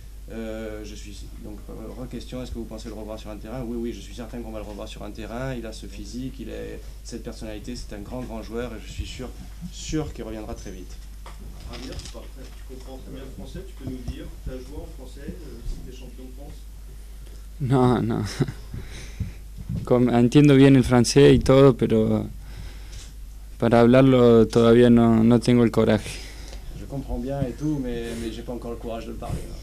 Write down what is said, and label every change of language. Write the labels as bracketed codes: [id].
[fr] Je suis donc re-question, est-ce que vous pensez le revoir sur un terrain? Oui, je suis certain qu'on va le revoir sur un terrain. Il a ce physique, il a cette personnalité, c'est un grand joueur, et je suis sûr qu'il reviendra très vite. Ravir, tu comprends très bien le français, tu peux nous dire, tu as joué en français, si tu es champion de France? Non. [es] Comme, entiendo bien el francés y todo, pero para hablarlo todavía no tengo el coraje. [fr] Je comprends bien et tout, mais j'ai pas encore le courage de le parler.